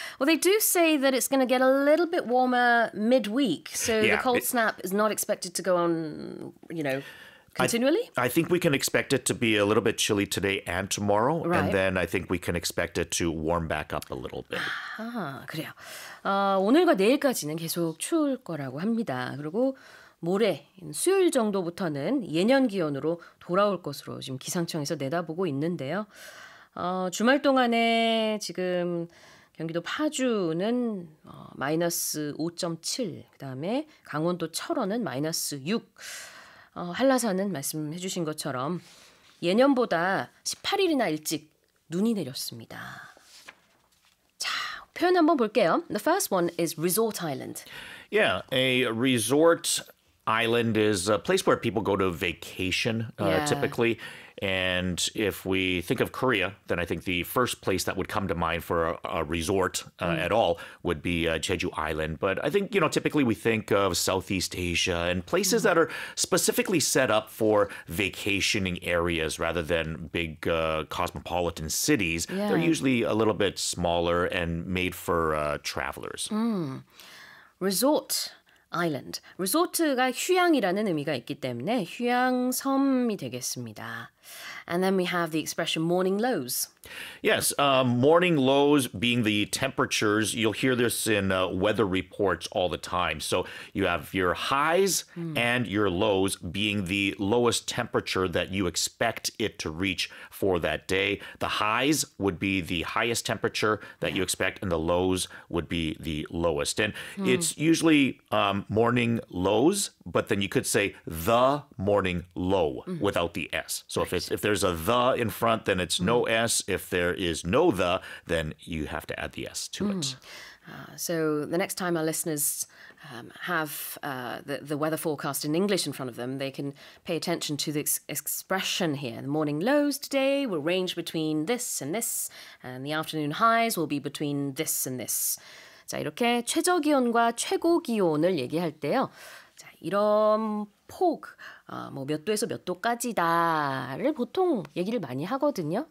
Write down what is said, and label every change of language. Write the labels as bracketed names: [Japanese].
[English] Well, they do say that it's going to get a little bit warmer midweek, so the cold snap is not expected to go on, you know, continually? I think we can expect it to be a little bit chilly today and tomorrow. Right. And then I think we can expect it to warm back up a little bit. [Korean] 아, 그래요. 오늘과 내일까지는 계속 추울 거라고 합니다. 그리고 모레, 수요일 정도부터는 예년 기온으로 돌아올 것으로 지금 기상청에서 내다보고 있는데요. 주말 동안에 지금 경기도 파주는 마이너스 5.7, 그다음에 강원도 철원은 마이너스 6. 한라산은 말씀해 주신 것처럼 예년보다 18일이나 일찍 눈이 내렸습니다. 자, 표현 한번 볼게요. [English] The first one is resort island. Yeah, a resort island is a place where people go to vacation, typically. And if we think of Korea, then I think the first place that would come to mind for a resort at all would be Jeju Island. But I think, you know, typically we think of Southeast Asia and places that are specifically set up for vacationing areas rather than big cosmopolitan cities. Yeah. They're usually a little bit smaller and made for travelers. Resort Island. [Korean] 리조트가 휴양이라는 의미가 있기 때문에 휴양섬이 되겠습니다. [English] And then we have the expression morning lows. Yes, morning lows being the temperatures. You'll hear this in weather reports all the time. So you have your highs and your lows being the lowest temperature that you expect it to reach for that day. The highs would be the highest temperature that you expect, and the lows would be the lowest. And it's usually morning lows, but then you could say the morning low without the S. So if it's, if there's a the in front, then it's no S. If there is no the, then you have to add the S to it. So the next time our listeners have the weather forecast in English in front of them, they can pay attention to the expression here. The morning lows today will range between this and this, and the afternoon highs will be between this and this. [Korean] 자, 이렇게 최저기온과 최고기온을 얘기할 때요. 자, 이런 폭, 뭐 몇 도에서 몇 도까지다를 보통 얘기를 많이 하거든요.